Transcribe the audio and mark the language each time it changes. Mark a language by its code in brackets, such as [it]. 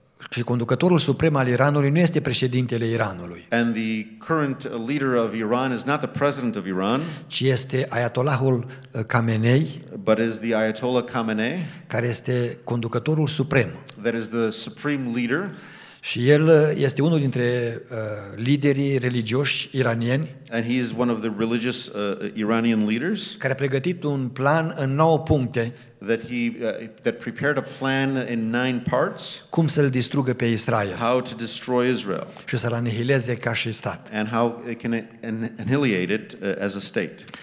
[ro] Și conducătorul suprem al Iranului nu este președintele Iranului. [en] And the current leader of Iran is not the president of Iran. [ro] Ci este Ayatollahul Khamenei. [en] But is the Ayatollah Khamenei. [ro] Care este conducătorul suprem. [en] That is the supreme leader. [ro] Și el este unul dintre liderii religioși iranieni. [en] And he is one of the religious Iranian leaders. [ro] Care a pregătit un plan în 9 puncte. [en] that he that prepared a plan in 9 parts, [ro] cum să-l distrugă pe Israel, [en] how to destroy Israel, [ro] și să-l anihileze ca și stat, [en] and how it can annihilate it as a state.